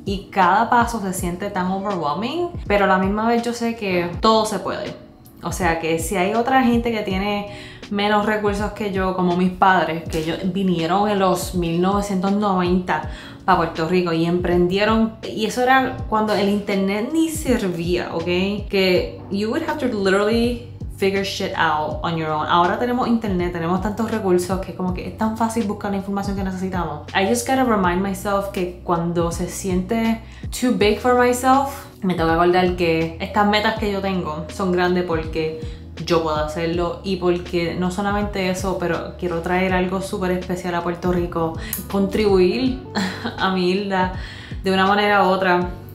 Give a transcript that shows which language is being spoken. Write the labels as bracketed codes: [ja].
[es] Y cada paso se siente tan overwhelming, pero a la misma vez yo sé que todo se puede. O sea que si hay otra gente que tiene menos recursos que yo, como mis padres, que ellos vinieron en los 1990 para Puerto Rico y emprendieron. Y eso era cuando el internet ni servía, ¿ok? Que [en] you would have to literally figure shit out on your own. [es] Ahora tenemos internet, tenemos tantos recursos que como que es tan fácil buscar la información que necesitamos. [en] I just gotta remind myself [es] que cuando se siente [en] too big for myself, [es] me tengo que acordar que estas metas que yo tengo son grandes porque yo puedo hacerlo. Y porque no solamente eso, pero quiero traer algo súper especial a Puerto Rico, contribuir a mi isla de una manera u otra.